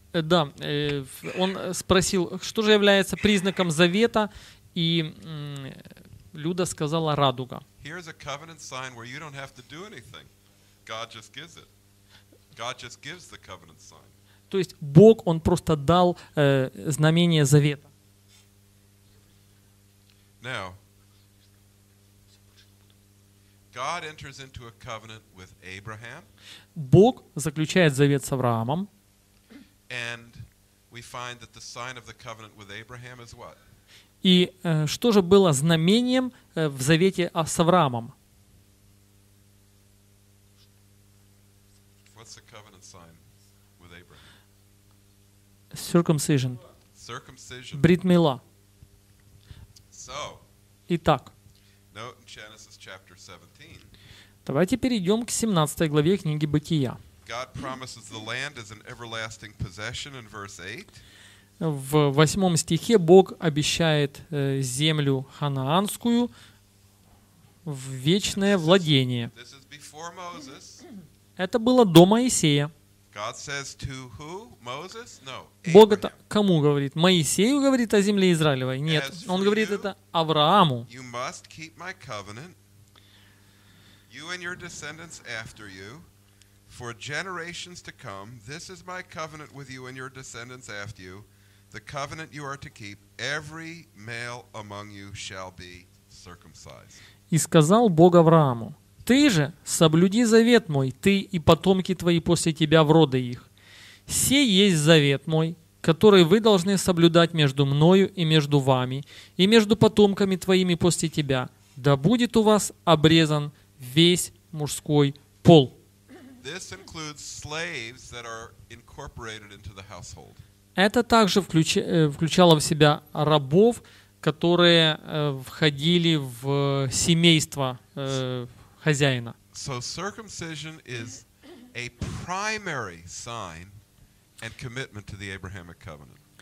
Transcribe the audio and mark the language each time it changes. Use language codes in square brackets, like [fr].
[ru] Да, он спросил, что же является признаком завета, и Люда сказала радуга. [en] Here's a covenant sign where you don't have to do anything. God just gives it. God just gives the covenant sign. [ru] То есть Бог, он просто дал знамение завета. [en] Now, God enters into a covenant with Abraham. [ru] Бог заключает завет с Авраамом. [en] And we find that the sign of the covenant with Abraham is what? [ru] И что же было знамением в завете с Авраамом? [en] What's the covenant sign with Abraham? Circumcision. Circumcision. [he] Брит мила. [en] So. [ru] Итак. [en] Note in Genesis chapter 17. [ru] Давайте перейдем к 17 главе книги Бытия. [en] God promises the land as an everlasting possession in verse 8. [ru] В 8 стихе Бог обещает землю ханаанскую в вечное владение. [en] This is before Moses. [ru] Это было до Моисея. [en] God says to who? Moses? No, [ru] Abraham. Бог это кому говорит? Моисею говорит о земле Израилевой? Нет, он говорит это Аврааму. [en] You must keep my covenant. You and your descendants after you, for generations to come, this is my covenant with you and your descendants after you, the covenant you are to keep, every male among you shall be circumcised. [ru] И сказал Бог Аврааму, ты же соблюди завет мой, ты и потомки твои после тебя в роды их. Се есть завет мой, который вы должны соблюдать между мною и между вами, и между потомками твоими после тебя, да будет у вас обрезан весь мужской пол. [en] This includes slaves that are incorporated into the household. [ru] Это также включало в себя рабов, которые входили в семейство хозяина. [en] So circumcision is a primary sign and commitment to the Abrahamic covenant.